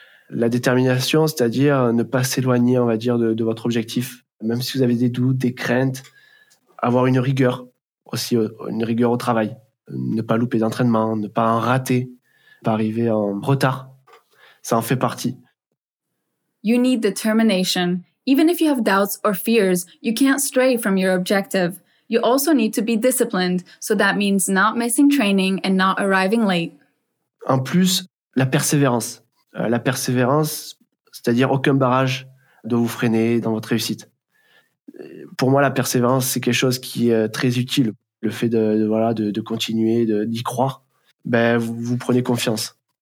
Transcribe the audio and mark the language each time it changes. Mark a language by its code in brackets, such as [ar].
[fr] La détermination, c'est-à-dire ne pas s'éloigner, on va dire, de votre objectif. Même si vous avez des doutes, des craintes, avoir une rigueur aussi, une rigueur au travail. Ne pas louper d'entraînement, ne pas en rater, pas arriver en retard. Ça en fait partie. [en] You need determination. Even if you have doubts or fears, you can't stray from your objective. You also need to be disciplined, so that means not missing training and not arriving late. [fr] En plus, la persévérance. La persévérance, c'est-à-dire aucun barrage doit vous freiner dans votre réussite. Pour moi, la persévérance, c'est quelque chose qui est très utile. Le fait de continuer, d'y croire, ben, vous prenez confiance.